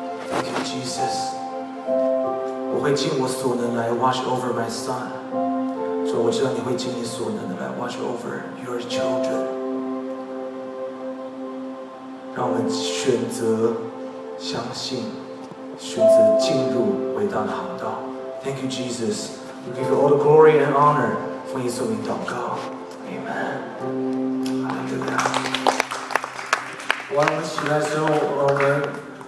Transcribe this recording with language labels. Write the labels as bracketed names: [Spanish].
[English] Thank you, Jesus。 [Chinese] 我会尽我所能来 [English] wash over my son， [Chinese] 所以我知道你会尽你所能的来 [English] wash over your children。 [Chinese] 让我们选择相信，选择进入伟大的航道。 [English] Thank you Jesus， we give you all the glory and honor， [Chinese] 奉耶稣名祷告， [English] Amen。 [Chinese] 哈利路亚。 我们起来之后，我们